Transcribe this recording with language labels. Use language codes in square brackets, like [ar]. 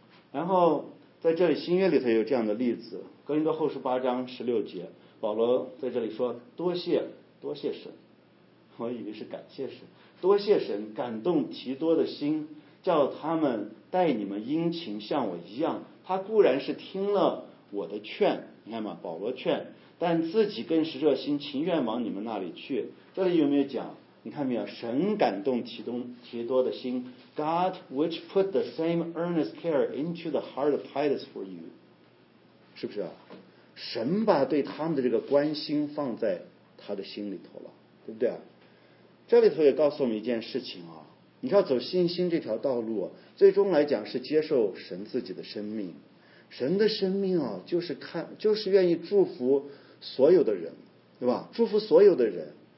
[zh] 然后在这里新约里头有这样的例子，格林多后书八章十六节，保罗在这里说，多谢神，我以为是感谢神，多谢神感动提多的心，叫他们待你们殷勤像我一样。他固然是听了我的劝，你看嘛，保罗劝，但自己更是热心情愿往你们那里去。这里有没有讲，你看没有，神感动提多的心， [en] God which put the same earnest care into the heart of Titus for you， [zh] 是不是啊？神把对他们的这个关心放在他的心里头了，对不对啊？这里头也告诉我们一件事情啊，你知道走信心这条道路，最终来讲是接受神自己的生命，神的生命啊，就是看，就是愿意祝福所有的人，对吧？祝福所有的人。